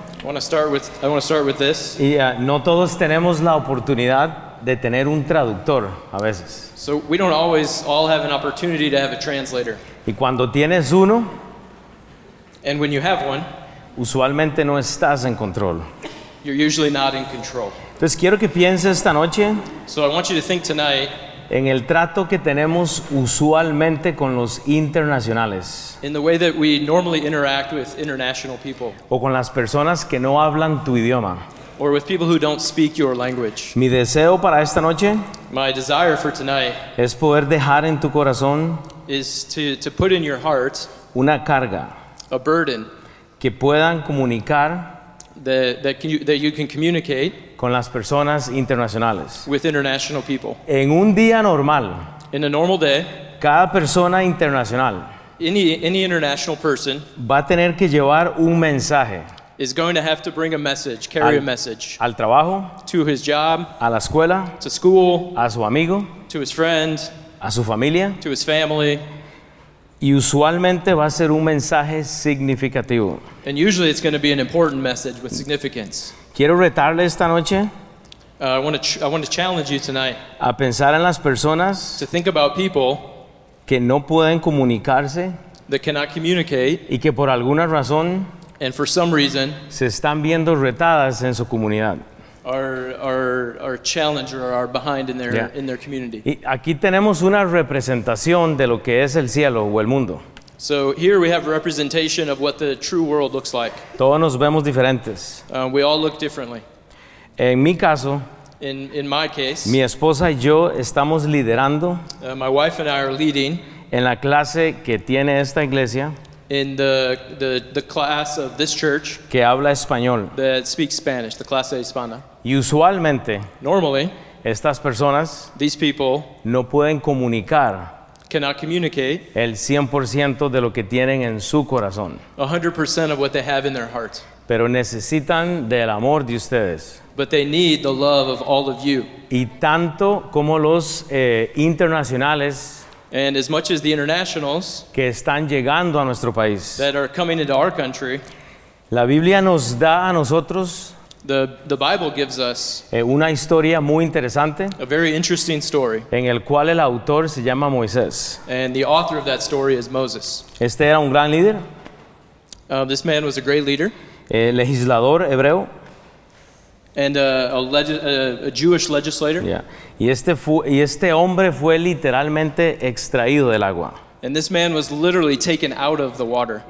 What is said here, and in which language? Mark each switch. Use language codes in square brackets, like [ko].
[en] I want to start with this. [es] No todos tenemos la oportunidad de tener un traductor a veces. [en] So we don't always all have an opportunity to have a translator. [es] Y cuando tienes uno, [en] and when you have one, [es] usualmente no estás en control. [en] You're usually not in control. [es] Entonces quiero que pienses esta noche. [en] So I want you to think tonight. [es] En el trato que tenemos usualmente con los internacionales. [en] In the way that we normally interact with international people. [es] O con las personas que no hablan tu idioma. [en] Or with people who don't speak your language. [es] Mi deseo para esta noche. [en] My desire for tonight. [es] Es poder dejar en tu corazón. [en] Is to put in your heart. [es] Una carga. [en] A burden. [es] Que puedan comunicar. [en] That you can communicate. [es] Con las personas internacionales. [en] With international people. [es] En un día normal. [en] In a normal day. [es] Cada persona internacional. [en] Any international person. [es] Va a tener que llevar un mensaje. [en] Is going to have to bring a message. Carry a message. [es] Al trabajo. [en] To his job. [es] A la escuela. [en] To school. [es] A su amigo. [en] To his friend. [es] A su familia. [en] To his family. [es] Y usualmente va a ser un mensaje significativo. [en] And usually it's going to be an important message with significance. [es] Quiero retarle esta noche. [en] I want to challenge you tonight. [es] A pensar en las personas. [en] To think about people. [es] Que no pueden comunicarse. [en] That cannot communicate. [es] Y que por alguna razón. [en] And for some reason. [es] Se están viendo retadas en su comunidad. [en] Are challenged or are behind in their in their community. [es] Y aquí tenemos una representación de lo que es el cielo o el mundo. [en] So here we have a representation of what the true world looks like. [es] Todos nos vemos diferentes. [en] We all look differently. [es] En mi caso, [en] in my case, [es] mi esposa y yo estamos liderando. [en] My wife and I are leading. [es] En la clase que tiene esta iglesia. [en] In the class of this church. [es] Que habla español. [en] That speaks Spanish, the [es] clase hispana. Y usualmente, [en] normally, [es] estas personas, [en] these people, [es] no pueden comunicar. [en] Cannot communicate [es] el 100% de lo que tienen en su corazón. [en] 100% of what they have in their heart. [es] Pero necesitan del amor de ustedes. [en] But they need the love of all of you. [es] Y tanto como los internacionales. [en] And as much as the internationals. [es] Que están llegando a nuestro país. [en] That are coming into our country. [es] La Biblia nos da a nosotros. [en] The Bible gives us [es] una historia muy interesante, [en] a very interesting story, [es] en el cual el autor se llama Moisés. [en] And the author of that story is Moses. [es] Este era un gran líder. [en] This man was a great leader. [es] Legislador hebreo. [en] And a Jewish legislator. Yeah. [es] Y este hombre fue literalmente extraído del agua. [en] And this man was literally taken out of the water.